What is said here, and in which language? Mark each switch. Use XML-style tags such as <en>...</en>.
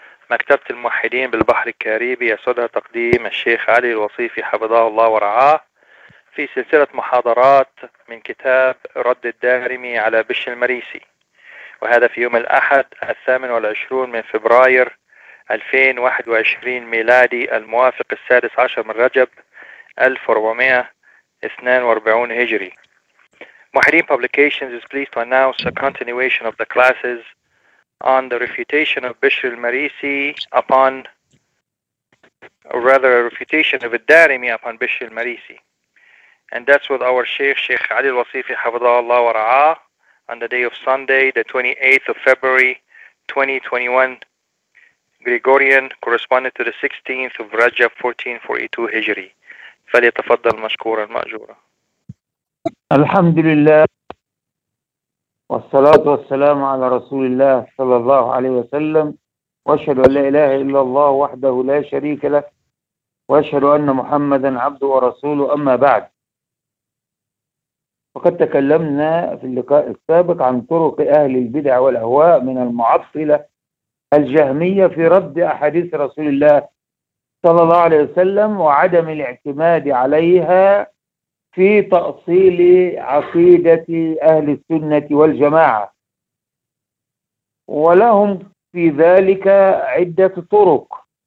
<ar>مكتبة الموحدين بالبحر الكاريبي يسعدها تقديم الشيخ علي الوصيفي حفظه الله ورعاه في سلسلة محاضرات من كتاب رد الدارمي على بش المريسي، وهذا في يوم الأحد 28 من فبراير 2021 ميلادي الموافق 16 من رجب 1442 هجري.</ar> <en>Muhyiddin Publications is pleased to announce a continuation of the classes on the refutation of Bishr al-Marisi upon, or rather a refutation of al-Darimi upon Bishr al-Marisi. And that's with our Sheikh, Sheikh Ali al-Wasifi, Hafidhahu Allah wa Ra'ah, on the day of Sunday, the 28th of February, 2021, Gregorian, corresponding to the 16th of Rajab, 1442 Hijri.</en> <ar>فليتفضل مشكورا مأجورا. الحمد لله والصلاة والسلام على رسول الله صلى الله عليه وسلم، وأشهد أن لا إله إلا الله وحده لا شريك له، وأشهد أن محمدا عبده ورسوله. أما بعد، وقد تكلمنا في اللقاء السابق عن طرق أهل البدع والأهواء من المعطلة الجهمية في رد أحاديث رسول الله صلى الله عليه وسلم وعدم الاعتماد عليها في تأصيل عقيدة أهل السنة والجماعة، ولهم في ذلك عدة طرق،</ar>